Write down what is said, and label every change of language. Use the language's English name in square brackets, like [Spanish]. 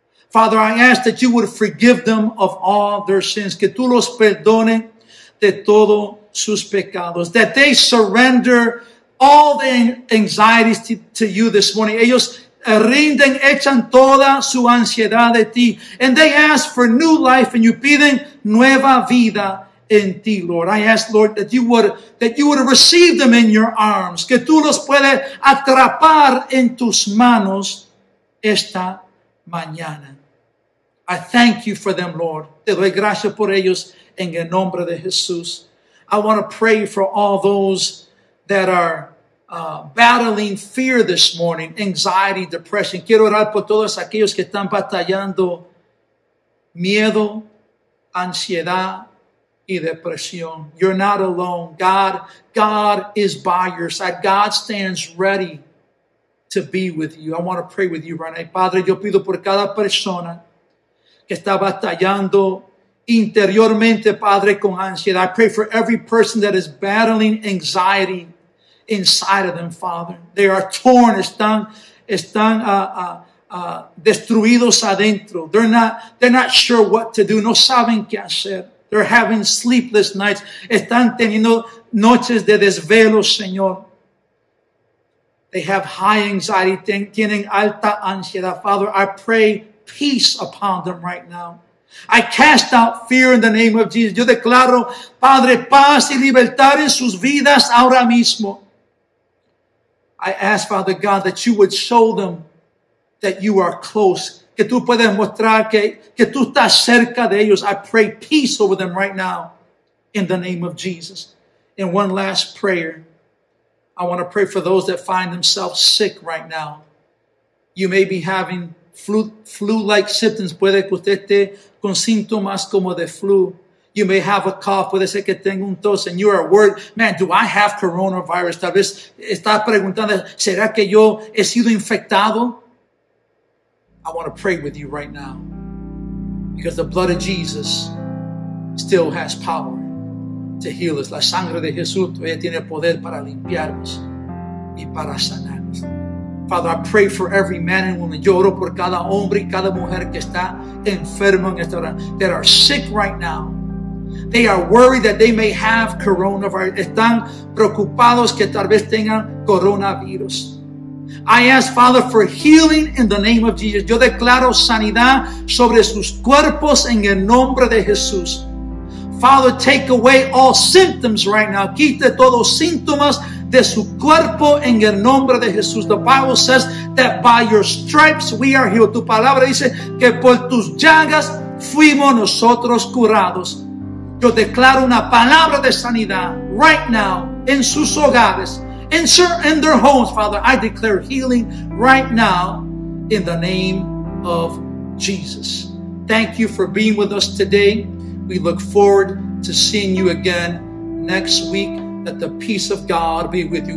[English] Father, I ask that you would forgive them of all their sins, [Spanish] que tú los perdone de todos sus pecados, [English] that they surrender all the anxieties to you this morning. [Spanish] Ellos rinden, echan toda su ansiedad de ti, [English] and they ask for new life, and you [Spanish] piden nueva vida en ti, Lord. [English] I ask, Lord, that you would receive them in your arms. [Spanish] Que tú los puedes atrapar en tus manos esta mañana. [English] I thank you for them, Lord. [Spanish] Te doy gracias por ellos en el nombre de Jesús. [English] I want to pray for all those that are battling fear this morning, anxiety, depression. [Spanish] Quiero orar por todos aquellos que están batallando miedo, ansiedad, y depresión. [English] You're not alone. God is by your side. God stands ready to be with you. I want to pray with you right now. [Spanish] Padre, yo pido por cada persona que está batallando interiormente, Padre, con ansiedad. [English] I pray for every person that is battling anxiety inside of them, Father. They are torn. [Spanish] Están destruidos adentro. [English] They're not sure what to do. [Spanish] No saben qué hacer. [English] They're having sleepless nights. [Spanish] Están teniendo noches de desvelo, Señor. [English] They have high anxiety. [Spanish] Tienen alta ansiedad. [English] Father, I pray peace upon them right now. I cast out fear in the name of Jesus. [Spanish] Yo declaro, Padre, paz y libertad en sus vidas ahora mismo. [English] I ask, Father God, that you would show them that you are close. [Spanish] Que tú puedes mostrar que tú estás cerca de ellos. [English] I pray peace over them right now in the name of Jesus. And one last prayer. I want to pray for those that find themselves sick right now. You may be having flu-like symptoms. [Spanish] Puede que usted esté con síntomas como de flu. [English] You may have a cough. [Spanish] Puede ser que tenga un tos. [English] And you are worried. Man, do I have coronavirus? [Spanish] Tal vez está preguntando, ¿será que yo he sido infectado? [English] I want to pray with you right now. Because the blood of Jesus still has power to heal us. [Spanish] La sangre de Jesús todavía tiene poder para limpiarnos y para sanarnos. [English] Father, I pray for every man and woman. [Spanish] Yo oro por cada hombre y cada mujer que está enfermo en esta hora, [English] that are sick right now. They are worried that they may have coronavirus. [Spanish] Están preocupados que tal vez tengan coronavirus. [English] I ask, Father, for healing in the name of Jesus. [Spanish] Yo declaro sanidad sobre sus cuerpos en el nombre de Jesús. [English] Father, take away all symptoms right now. [Spanish] Quite todos síntomas de su cuerpo en el nombre de Jesús. [English] The Bible says that by your stripes we are healed. [Spanish] Tu palabra dice que por tus llagas fuimos nosotros curados. Yo declaro una palabra de sanidad [English] right now [Spanish] en sus hogares. [English] In their homes, Father, I declare healing right now in the name of Jesus. Thank you for being with us today. We look forward to seeing you again next week. Let the peace of God be with you.